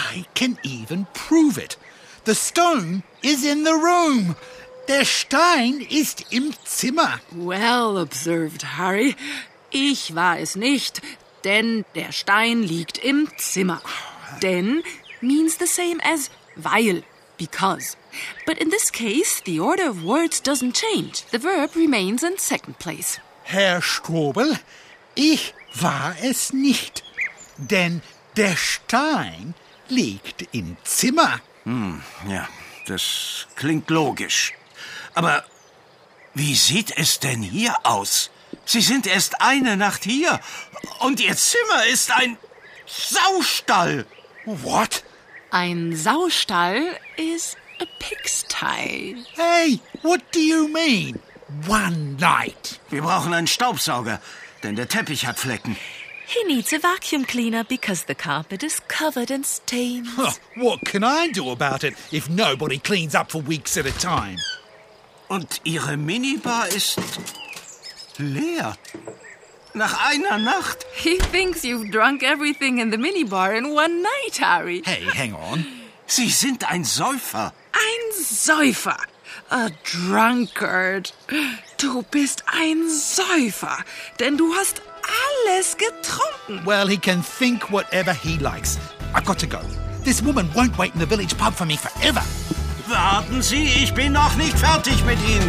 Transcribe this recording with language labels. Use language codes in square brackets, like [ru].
[en] I can even prove it. The stone is in the room. [de] Der Stein ist im Zimmer. [en] Well observed, Harry. [de] Ich war es nicht, denn der Stein liegt im Zimmer. [en] Denn means the same as weil. Because. But in this case, the order of words doesn't change. The verb remains in second place. [de] Herr Strobel, ich war es nicht, denn der Stein liegt im Zimmer. Ja, das klingt logisch. Aber wie sieht es denn hier aus? Sie sind erst eine Nacht hier und Ihr Zimmer ist ein Saustall. [en] What? Ein Saustall is a pigsty. Hey, what do you mean? One night. [de] Wir brauchen einen Staubsauger, denn der Teppich hat Flecken. [en] He needs a vacuum cleaner because the carpet is covered in stains. Huh, what can I do about it if nobody cleans up for weeks at a time? [de] Und Ihre Minibar ist leer. Nach einer Nacht? [en] He thinks you've drunk everything in the minibar in one night, Harry. Hey, hang on. [de] Sie sind ein Säufer. Ein Säufer. [en] A drunkard. [de] Du bist ein Säufer, denn du hast alles getrunken. [en] Well, he can think whatever he likes. I've got to go. This woman won't wait in the village pub for me forever. [de] Warten Sie, ich bin noch nicht fertig mit Ihnen.